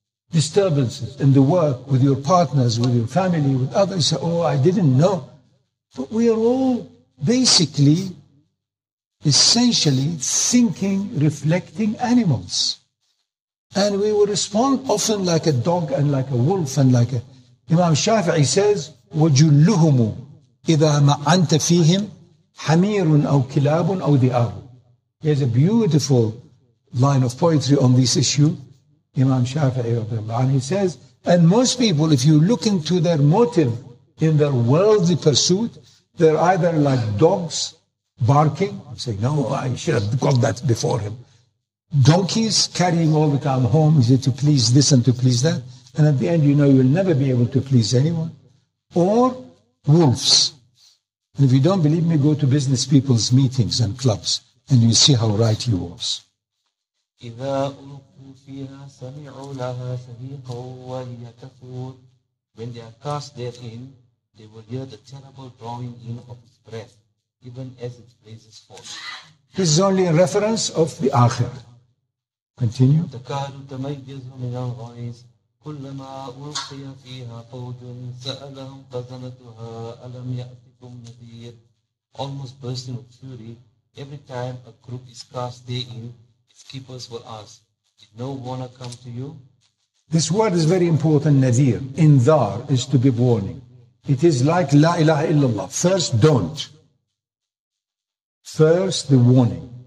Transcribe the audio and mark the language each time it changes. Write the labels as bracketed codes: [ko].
[en] Disturbances in the work, with your partners, with your family, with others. Oh, I didn't know. But we are all basically, essentially, thinking, reflecting animals. And we will respond often like a dog and like a wolf and like a... Imam Shafi'i says, [ar] وَجُلُّهُمُ إِذَا مَعَنْتَ فِيهِمْ حَمِيرٌ أَوْ كِلَابٌ أَوْ ذِئَابٌ. [en] He has a beautiful line of poetry on this issue, Imam Shafi'i [ar] رضي الله عنه. [en] He says, and most people, if you look into their motive in their worldly pursuit, they're either like dogs barking, saying, no, I should have got that before him. Donkeys carrying all the time home, is it to please this and to please that? And at the end, you know, you'll never be able to please anyone. Or wolves. And if you don't believe me, go to business people's meetings and clubs, and you see how right he was. [ar] إذا ألقوا فيها سمعوا لها شهيقا وهي تفور. [en] When they are cast therein, they will hear the terrible drawing in of its breath, even as it blazes forth. This is only a reference of the آخر. Continue. [ar] تكاد تميز من الغيظ كلما ألقي فيها فوج سألهم خزنتها ألم يأتكم نذير. [en] Almost bursting with fury, every time a group is cast therein, keepers will ask, did no warner come to you? This word is very important, nadir. Indar is to be warning. It is like la ilaha illallah. First, don't. First, the warning.